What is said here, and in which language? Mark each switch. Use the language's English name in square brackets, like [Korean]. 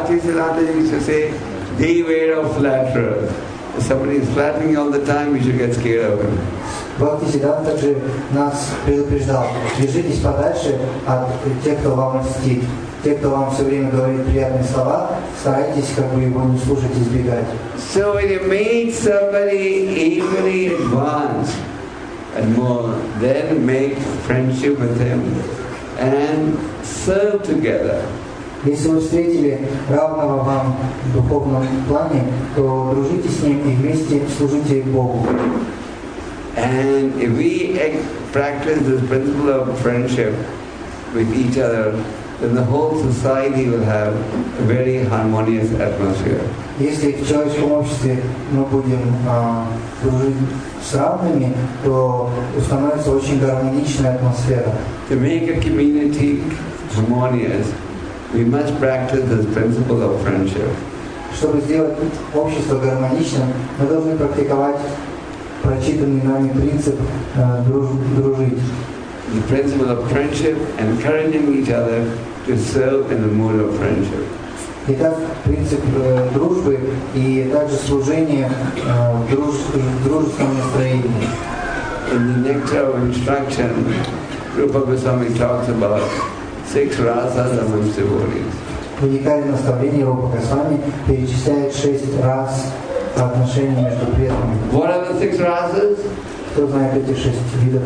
[English] Bhakti Siddhanta used to say, beware of flatterers. If somebody is flattering you all the time, you should get scared of him. [Russian] Bhakti Siddhanta же нас предупреждал, держитесь подальше от тех, кто вам льстит. Те, кто вам все время говорит приятные слова, старайтесь как бы его не слушать и избегать. [English] So when you meet somebody equally advanced and more, then make friendship with him and serve together. [Russian] Если вы встретили равного вам в духовном плане, то дружите с ним и вместе служите Богу. [English] And if we practice this principle of friendship with each other, then the whole society will have a very harmonious atmosphere. [Russian] Если в человеческом обществе мы будем дружить с равными, то установится очень гармоничная атмосфера. [English] To make a community harmonious, we must practice this principle of friendship. [Russian] Чтобы сделать общество гармоничным, мы должны практиковать прочитанный нами принцип дружить. [English] The principle of friendship, encouraging each other to serve in the mood of friendship. [Russian] Итак, принцип дружбы и также служение дружеском настроении. [English] In the nectar of instruction, Rupa Goswami talks about six rasas among devotees. [Russian] уникальное наставление Рупа Госвами перечисляет шесть рас отношений между предками. [English] What are the six races? [Russian] Кто знает эти шесть видов